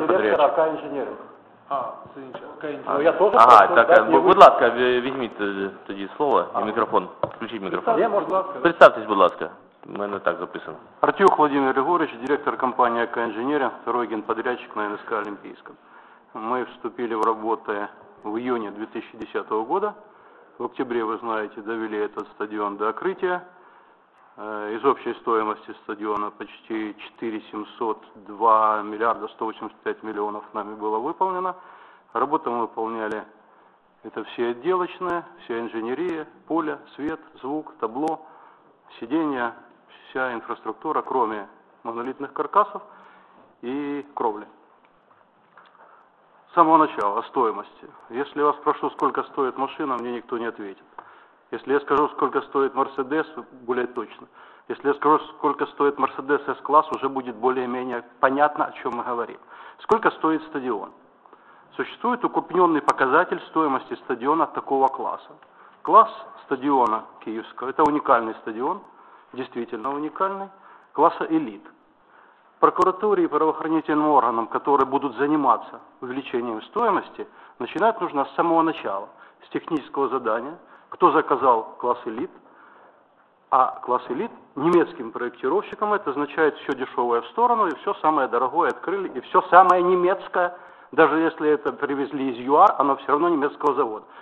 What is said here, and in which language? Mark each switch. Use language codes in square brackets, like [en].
[uk] подряд. Я директор АК інженерів. А, це інша. Ну, я теж. Ага, так, будь ласка, візьміть тоді слово і мікрофон. Включіть мікрофон. Представтесь, будь ласка. Мене так записано. Артюх Володимир Григорович, директор компанії АК інженерів, [ru] второй генподрядчик на НСК Олімпійском. Мы вступили в работу в июне 2010 года. В октябре, вы знаете, довели этот стадион до открытия. Из общей стоимости стадиона почти 4,702 миллиарда 185 миллионов нами было выполнено. Работу мы выполняли, это все отделочные, вся инженерия, поле, свет, звук, табло, сиденья, вся инфраструктура, кроме монолитных каркасов и кровли. С самого начала, о стоимости. Если я вас спрошу, сколько стоит машина, мне никто не ответит. Если я скажу, сколько стоит Mercedes, более точно. Если я скажу, сколько стоит Mercedes S-класс, уже будет более-менее понятно, о чем мы говорим. Сколько стоит стадион? Существует укрупненный показатель стоимости стадиона такого класса. Класс стадиона Киевского, это уникальный стадион, действительно уникальный, класса элит. Прокуратуре и правоохранительным органам, которые будут заниматься увеличением стоимости, начинать нужно с самого начала, с технического задания, кто заказал класс элит, а класс элит немецким проектировщикам, это означает все дешевое в сторону и все самое дорогое открыли, и все самое немецкое, даже если это привезли из ЮАР, оно все равно немецкого завода.